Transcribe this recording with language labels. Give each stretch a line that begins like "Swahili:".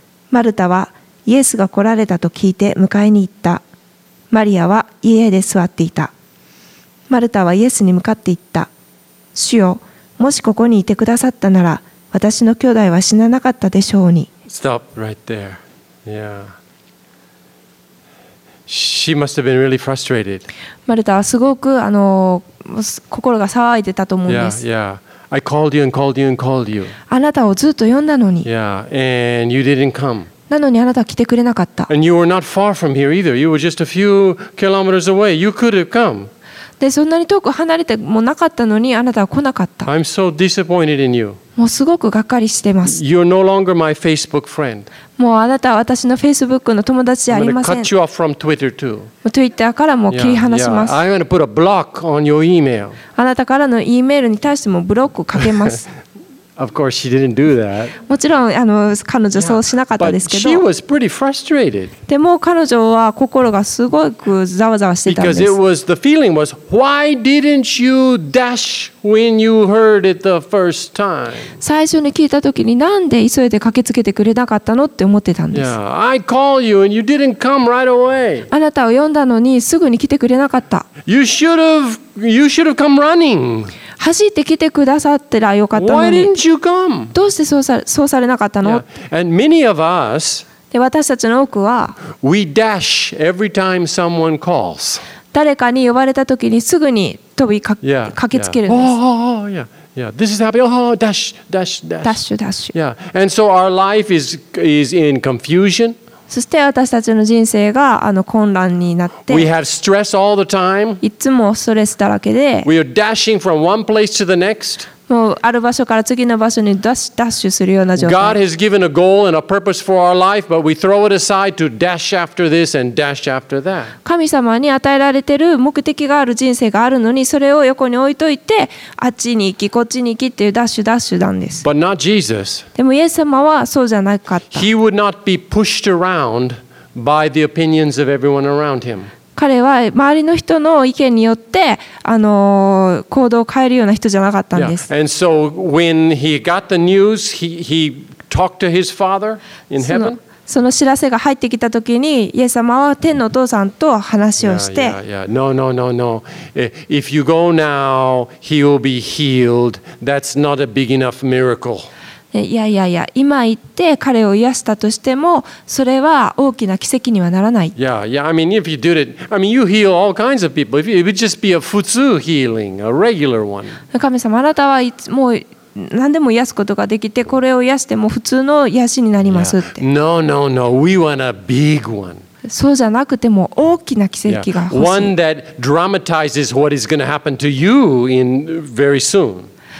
Japanese: マルタはイエスが来られたと聞いて迎えに行った。マリアは家で座っていた。マルタはイエスに向かって言った。主よ、もしここにいてくださったなら、私の兄弟は死ななかったでしょうに。
English: Stop right there. Yeah. She must have been really frustrated.
Japanese: マルタはすごく心が騒いでたと思うんです。
English: Yeah, yeah. I called you and called you and called you.
Japanese: あなたをずっと呼んだのに。
English: Yeah, and you didn't come.
Japanese: なのにあなたは来てくれなかった。
English: And you were not far from here either. You were just a few kilometers away. You could have come.
Japanese: で、そんなに遠く離れてもなかったのにあなたは来なかった。
English: I'm so disappointed in you.
Japanese: もうすごくがっかりしてます。
English: You're no longer my Facebook friend.
Japanese: もうあなたは私の Facebook の友達じゃありません。
English: I'm going to cut you off from Twitter too.
Japanese: もう Twitter からも切り離します。
English: Yeah, yeah. I'm going to put a block on your email.
Japanese: あなたからの E メールに対してもブロックをかけます。
English: Of course she didn't do that.
Japanese: もちろん彼女はそうしなかったですけど。
English: Yeah, but she was pretty frustrated.
Japanese: でも彼女は心がすごくざわざわしてたんです。
English: Because it was the feeling was, why didn't you dash when you heard it the first time?
Japanese: 最初に聞いた時になんで急いで駆けつけてくれなかったのって思ってたんです。
English: Yeah, I call you and you didn't come right away.
Japanese: あなたを呼んだのにすぐに来てくれなかった。
English: You should have come running.
Japanese: 走ってきてくださったらよかったのに。
English: Why didn't you come?
Japanese: どうしてそうされなかったの？
English: Yeah. And many of us,
Japanese: で私たちの多くは、
English: We dash every time someone calls.
Japanese: 誰かに呼ばれた時にすぐに飛び駆けつけるんです。
English: Yeah. Oh, oh, yeah. Yeah, this is happening. Oh, dash, dash, dash. Dash, dash. Yeah, and so our life is in confusion.
Japanese: そして私たちの人生が混乱になって。
English: We have stress all the time.
Japanese: いつもストレスだらけで。
English: We are dashing from one place to the next.
Japanese: もうある場所から次の場所にダッシュするような状態。
English: God has given a goal and a purpose for our life, but we throw it aside to dash after this and dash after that.
Japanese: 神様に与えられている目的がある人生があるのに、それを横に置いといて、あっちに行き、こっちに行きっていうダッシュなんです。
English: But not Jesus.
Japanese: でもイエス様はそうじゃなかった。
English: He would not be pushed around by the opinions of everyone around him.
Japanese: 彼は周りの人の意見によって行動を変えるような人じゃなかったんです。
English: Yeah. And so when he got the news, he talked to his father in heaven.
Japanese: その知らせが入ってきた時に、イエス様は天のお父さんと話をして、
English: yeah, yeah, yeah. No, no, no, no. If you go now, he will be healed. That's not a big enough miracle.
Japanese: いやいやいや、今行って彼を癒したとしても、それは大きな奇跡にはならない。
English: Yeah, yeah. I mean, if you do it, I mean, you heal all kinds of people. It would just be a 普通 healing, a regular one.
Japanese: 神様、あなたはもう何でも癒すことができて、これを癒しても普通の癒しになりますって。
English: Yeah. No, no, no. We want a big one.
Japanese: そうじゃなくても大きな奇跡が欲しい。
English: Yeah. One that dramatizes what is going to happen to you in very soon.